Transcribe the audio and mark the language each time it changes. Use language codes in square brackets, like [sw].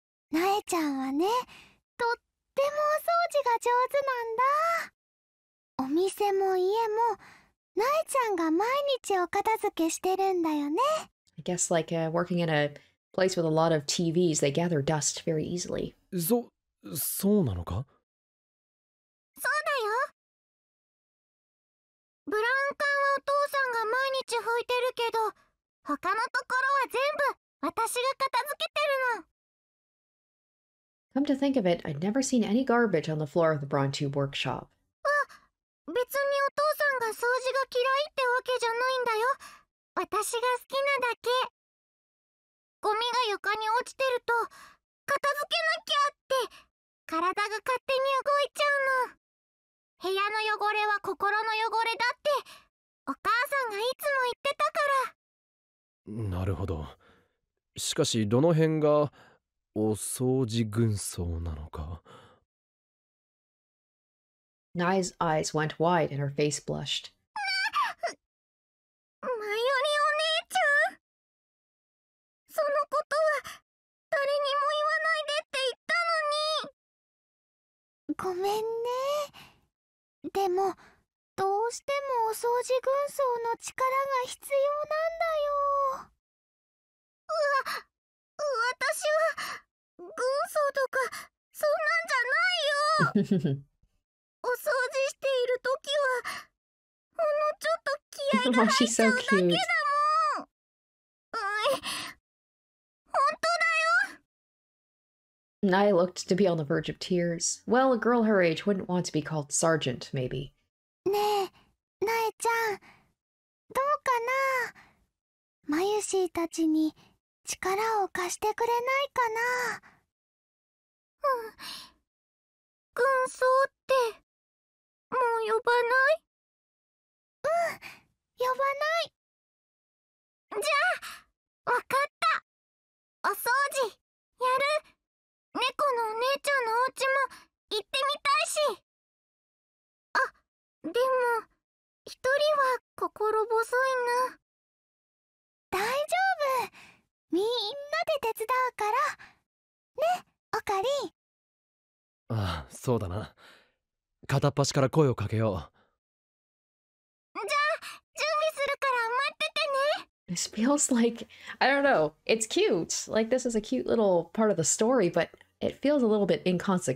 [ja] 苗ちゃんはね、とってもお掃除が上手なんだ。お店も家も、苗ちゃんが毎日お片付けしてるんだよね。 [en] I guess like working in a place with a lot of TVs, they gather dust very easily. [ja] そうなのか？そうだよ。ブランカンはお父さんが毎日拭いてるけど、他のところは全部私が片付けてるの。 [en] Come to think of it, I'd never seen any garbage on the floor of the Brontu workshop. [ja] あ、別にお父さんが掃除が嫌いってわけじゃないんだよ。私が好きなだけ。ゴミが床に落ちてると、片付けなきゃって、体が勝手に動いちゃうの。部屋の汚れは心の汚れだって、お母さんがいつも言ってたから。なるほど。しかし、どの辺が、お掃除軍曹なのか。 [en] Nai's eyes went wide and her face blushed. [ja] マユリお姉ちゃん、そのことは誰にも言わないでって言ったのに。ごめんね。でもどうしてもお掃除軍曹の力が必要なんだよ。私は軍曹とかそんなんじゃないよ。お掃除しているときはほんのちょっと気合が入っちゃうだけだもん。本当だよ。 [en] Nai looked to be on the verge of tears. Well, a girl her age wouldn't want to be called sergeant, maybe. [ja] ねえ、Nai ちゃん、どうかな？マユシーたちに力を貸してくれないかな？軍曹ってもう呼ばない？うん、呼ばない。じゃあ、わかった。お掃除、やる。猫のお姉ちゃんのお家も行ってみたいし。あ、でも一人は心細いな。大丈夫、みんなで手伝うからね、オカリン。ああ、そうだな。片っ端から声をかけよう。じゃあ、準備するから待っててね。 [en] This feels like, I don't know, it's cute. Like, this is a cute little part of the story, but it feels a little bit inconsequential.